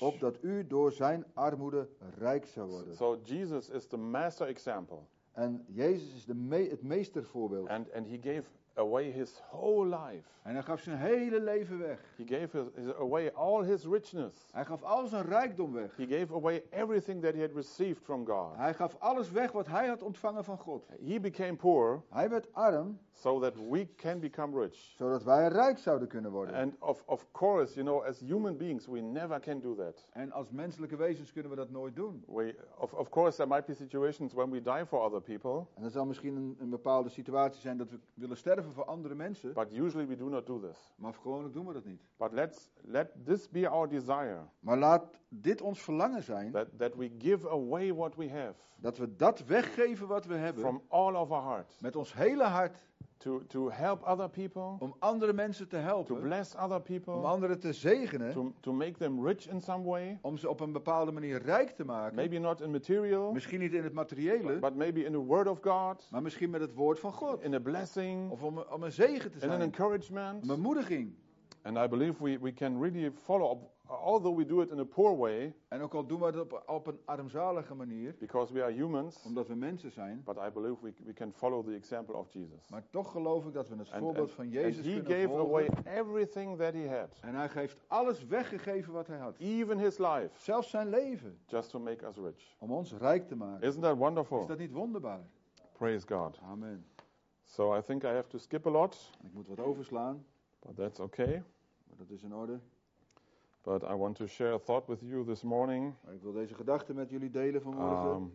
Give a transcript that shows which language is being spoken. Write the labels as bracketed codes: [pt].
[nl] Opdat u door zijn armoede rijk zou worden. [en] So Jesus is the master example. [nl] En Jezus is het meestervoorbeeld. [en] And he gave away his whole life. [nl] En hij gaf zijn hele leven weg. [en] He gave his away all his richness. [nl] Hij gaf al zijn rijkdom weg. [en] He gave away everything that he had received from God. [nl] Hij gaf alles weg wat hij had ontvangen van God. [en] He became poor. [nl] Hij werd arm. [en] So that we can become rich. [nl] Zodat wij rijk zouden kunnen worden. [en] And of course, you know, as human beings, we never can do that. [nl] En als menselijke wezens kunnen we dat nooit doen. [en] Of course, there might be situations when we die for other people. [nl] En er zal misschien een bepaalde situatie zijn dat we willen sterven. Voor andere mensen. [en] But usually we do not do this. [nl] Maar gewoonlijk doen we dat niet. [en] But let this be our desire. [nl] Maar laat dit ons verlangen zijn. [en] That we give away what we have. [nl] Dat we dat weggeven wat we hebben. [en] From all of our heart. [nl] Met ons hele hart. [en] To help other people. [nl] Om andere mensen te helpen. [en] To bless other people. [nl] Om anderen te zegenen. [en] To make them rich in some way. [nl] Om ze op een bepaalde manier rijk te maken. [en] Maybe not in material. [nl] Misschien niet in het materiële. [en] But maybe in the word of God. [nl] Maar misschien met het woord van God. [en] In a blessing. [nl] Of om een zegen te zijn. [en] In an encouragement. [nl] Een bemoediging. [en] And I believe we can really follow Although we do it in a poor way. [nl] En ook al doen we het op een armzalige manier. [en] Because we are humans. [nl] Omdat we mensen zijn. [en] But I believe we can follow the example of Jesus. [nl] Maar toch geloof ik dat we het voorbeeld van Jezus kunnen volgen. [en] And he gave away everything that he had. [nl] En hij heeft alles weggegeven wat hij had. [en] Even his life. [nl] Zelfs zijn leven. [en] Just to make us rich. [nl] Om ons rijk te maken. [en] Isn't that wonderful? [nl] Is dat niet wonderbaar? [en] Praise God. [nl] Amen. [en] So I think I have to skip a lot. [nl] Ik moet wat overslaan. [en] But that's okay. [nl] Maar dat is in orde. [en] But I want to share a thought with you this morning. [nl] Ik wil deze gedachte met jullie delen vanmorgen.